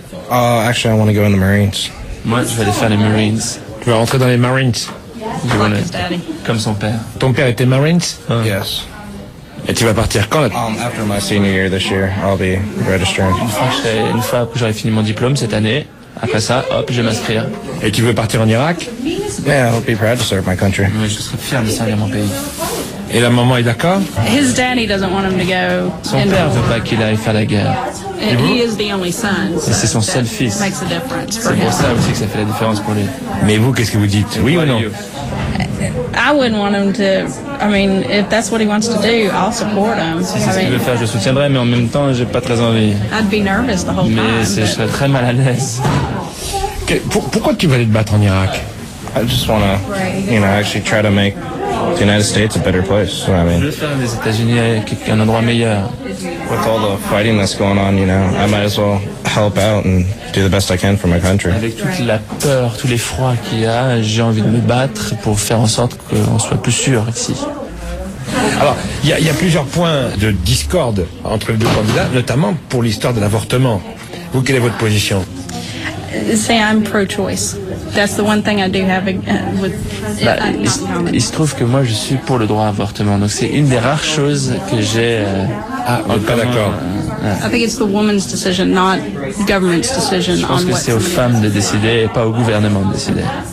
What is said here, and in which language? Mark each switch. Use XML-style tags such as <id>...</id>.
<en>Actually, I want to go in the Marines.</en> <fr>Moi, je vais aller faire les Marines. Tu vas rentrer dans les Marines?</fr> <en>Like wanna,</en> <fr>comme son père. Ton père était Marines?</fr> <en>Oh. Yes.</en> <fr>Et tu vas partir quand?</fr> <en>After my senior year this year, I'll be registering.</en> <fr>Une fois que j'aurai fini mon diplôme cette année, après ça, hop, je vais m'inscrire. Et tu veux partir en Irak?</fr> <en>Yeah, I'll be proud to serve my country.</en> <fr>Oui, je serai fier de servir mon pays. Et la maman est d'accord?</fr> <en>His daddy doesn't want him to go.</en> <fr>Son père veut pas qu'il aille faire la guerre.</fr> <en>And he is the only son.</en> <fr>Et c'est son seul fils.</fr> <en>Makes a difference for him.</en> <fr>C'est pour ça aussi que ça fait la différence pour lui. Mais vous, qu'est-ce que vous dites? Oui ou non?</fr> <en>I wouldn't want him to. I mean, if that's what he wants to do, I'll support him.</en> <fr>Si c'est ce qu'il veut faire, je soutiendrai. Mais en même temps, j'ai pas très envie.</fr> <en>I'd be nervous the whole</en> <fr>mais</fr> <en>time.</en> <fr>Mais je serais très mal à l'aise. Pourquoi tu veux aller te battre en Irak?</fr> <en>I just want to, you know, actually try to make the United States a better place. You know what I mean?</en> <fr>Je veux faire des États-Unis un endroit meilleur.</fr> <en>With all the fighting that's going on, you know, I might as well help out and do the best I can for my country.</en> <fr>Avec toute la peur, tous les froids qu'il y a, j'ai envie de me battre pour faire en sorte qu'on soit plus sûr ici. Alors, il y a plusieurs points de discorde entre les deux candidats, notamment pour l'histoire de l'avortement. Vous, quelle est votre position?</fr> <en>Say I'm pro-choice. That's the one thing I do have with.</en> <fr>Il se trouve que moi je suis pour le droit à avortement. Donc c'est une des rares choses que j'ai. Pas d'accord.</fr> <en>I think it's the woman's decision, not government's decision.</en> <fr>Je pense que c'est aux femmes de décider, et pas au gouvernement de décider.</fr>